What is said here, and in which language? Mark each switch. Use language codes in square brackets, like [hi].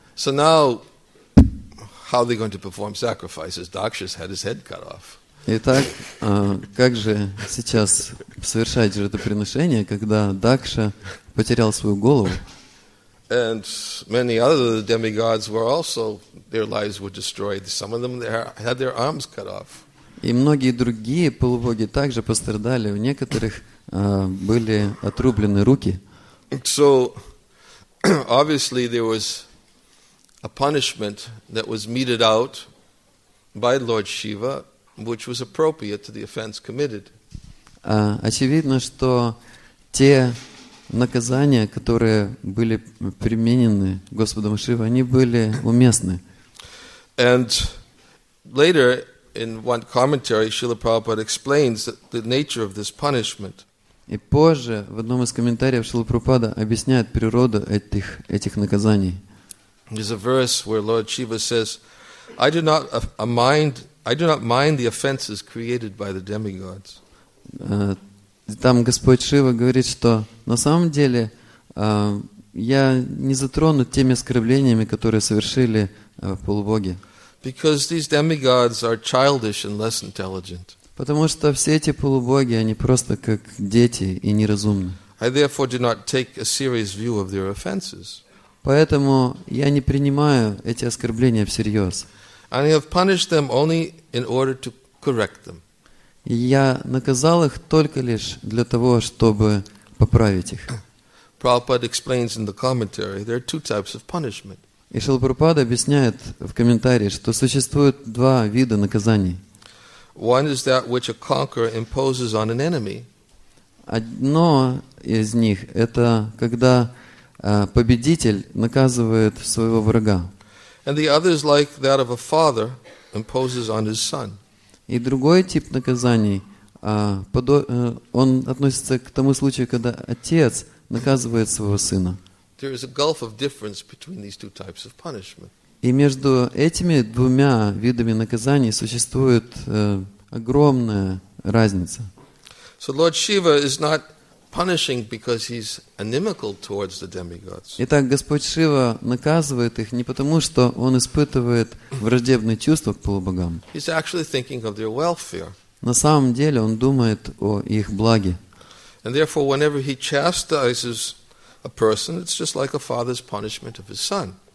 [en] So now, how are they going to perform sacrifices? Daksha's had his head cut off. [ru] Итак, как же сейчас совершать жертвоприношение, когда Дакша потерял свою голову? [en] And many other demigods were also, their lives were destroyed. Some of them had their arms cut off. [ru] И многие другие полубоги также пострадали. У некоторых были отрублены руки. [en] So, obviously, there was a punishment that was meted out by Lord Shiva, which was appropriate to the offense committed. [ru] Очевидно, что те наказания, которые были применены Господом Шивой, они были уместны. [en] And later, in one commentary, Srila Prabhupada explains the nature of this punishment. [ru] И позже, в одном из комментариев, Шрила Прабхупада объясняет природу этих наказаний. [en] There's a verse where Lord Shiva says, I do not mind the offenses created by the demigods. [ru] Там Господь Шива говорит, что на самом деле я не затронут теми оскорблениями, которые совершили полубоги. [en] Because these demigods are childish and less intelligent. [ru] Потому что все эти полубоги, они просто как дети и неразумны. [en] I therefore do not take a serious view of their offenses. [ru] Поэтому я не принимаю эти оскорбления всерьез. [en] And I have punished them only in order to correct them. [ru] Я наказал их только лишь для того, чтобы поправить их. [en] Prabhupada explains in the commentary there are two types of punishment. [ru] И Шрила Прабхупада объясняет в комментарии, что существует два вида наказаний. [en] One is that which a conqueror imposes on an enemy. [ru] Одно из них это когда победитель наказывает своего врага. [en] And the other is like that of a father imposes on his son. [ru] И другой тип наказаний, он относится к тому случаю, когда отец наказывает своего сына. [en] There is a gulf of difference between these two types of punishment. [ru] И между этими двумя видами наказаний существует огромная разница. [en] So Lord Shiva is not punishing because he's inimical towards the demigods. [ru] Итак, Господь Шива наказывает их не потому, что он испытывает враждебные чувства к полубогам. [en] He's actually thinking of their welfare. [ru] На самом деле он думает о их благе. [en] And therefore, whenever he chastises a person, it's just like a father's punishment of his son.